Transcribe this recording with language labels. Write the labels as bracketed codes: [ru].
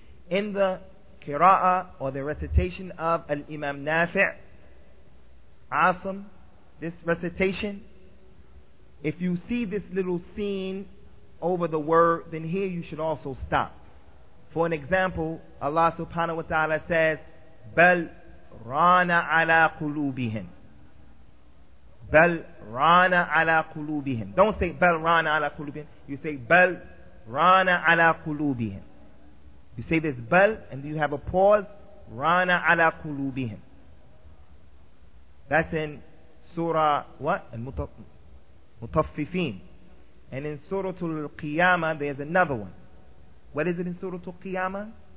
[en] In the Qira'ah or the recitation of Al-Imam Nafi' Asim, this recitation, if you see this little scene over the word, then here you should also stop. For an example, Allah subhanahu wa ta'ala says, [ar] بَلْ رَانَ عَلَىٰ قُلُوبِهِمْ. بَلْ رَانَ عَلَىٰ قُلُوبِهِمْ. [en] Don't say [ar] بَلْ رَانَ عَلَىٰ قُلُوبِهِمْ. [en] You say [ar] بَلْ رَانَ عَلَىٰ قُلُوبِهِمْ. [en] You say this بَلْ and you have a pause. [ar] رَانَ عَلَىٰ قُلُوبِهِمْ. [en] That's in Surah what? Mutaffifin. And in Surah Al-Qiyamah, there's another one. What is it in Surah Al-Qiyamah?